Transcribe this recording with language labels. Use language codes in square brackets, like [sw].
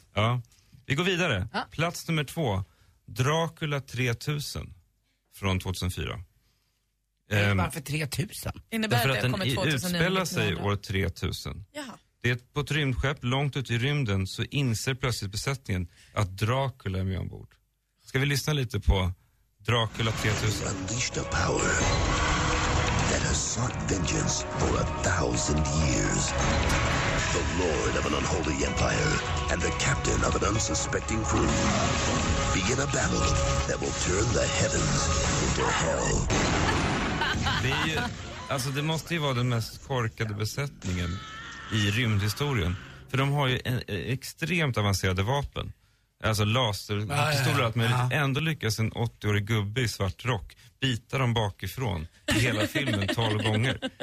[sv] Ja. Vi går vidare. Ja. Plats nummer 2. Dracula 3000 från 2004. Varför 3000? Innebär därför att den utspelar sig år 3000. Jaha. Det är på ett rymdskepp långt ut i rymden, så inser plötsligt besättningen att Dracula är med ombord. Ska vi lyssna lite på Dracula 3000? [en] Unleashed a power that has sought vengeance for a thousand years. The lord of an unholy empire and the captain of an unsuspecting crew begin a battle that will turn the heavens into hell. [sv] Det är ju, alltså det måste ju vara den mest korkade besättningen i rymdhistorien. För de har ju extremt avancerade vapen. Alltså laserpistoler att möjligt. Ändå lyckas en 80-årig gubbe i svart rock bita dem bakifrån i hela filmen 12 gånger.